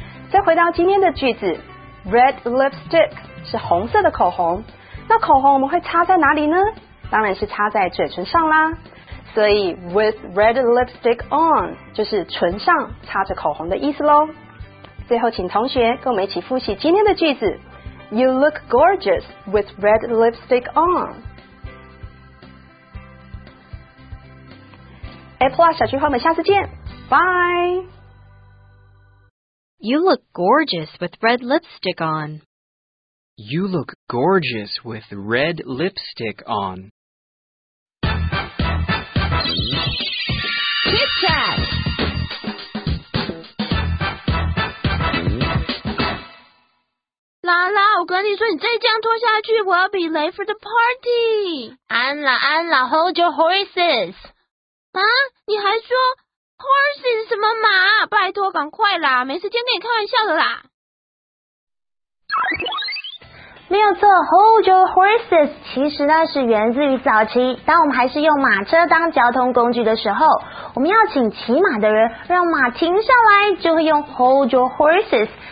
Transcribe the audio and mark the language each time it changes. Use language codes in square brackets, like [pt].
[zh] 再回到今天的句子 red lipstick 是红色的口红那口红我们会擦在哪里呢当然是擦在嘴唇上啦所以 [en] with red lipstick on [zh] 就是唇上擦着口红的意思咯最后请同学跟我们一起复习今天的句子 [en] You look gorgeous with red lipstick on [zh] A Plus 小聚会我们下次见 Bye [en] You look gorgeous with red lipstick on You look gorgeous with red lipstick on Kit Kat [zh] 兰兰，我跟你说，你再这样拖下去，我要比雷 [en] for the party。 [zh] 安了安了 ， [en] hold your horses。 [zh] 啊，你还说 horses 什么马？拜托，赶快啦，没时间跟你开玩笑的啦。没有错 ， [en] hold your horses [zh] 其实呢是源自于早期，当我们还是用马车当交通工具的时候，我们要请骑马的人让马停下来，就会用 hold your horses。